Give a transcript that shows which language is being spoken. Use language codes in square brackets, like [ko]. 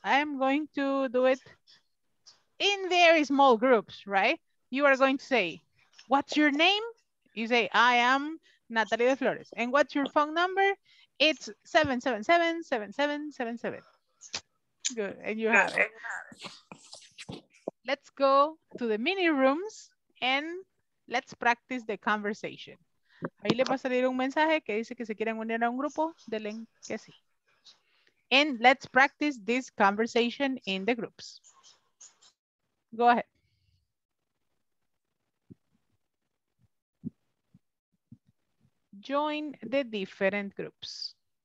[en] I am going to do it in very small groups, right? You are going to say, what's your name? You say, I am Natalie de Flores. And what's your phone number? It's 777-7777. Good. And you have it. Let's go to the mini rooms and let's practice the conversation. [es] Ahí le va a salir un mensaje que dice que se quieren unir a un grupo. Denle que sí. [en] And let's practice this conversation in the groups. Go ahead. Join the different groups.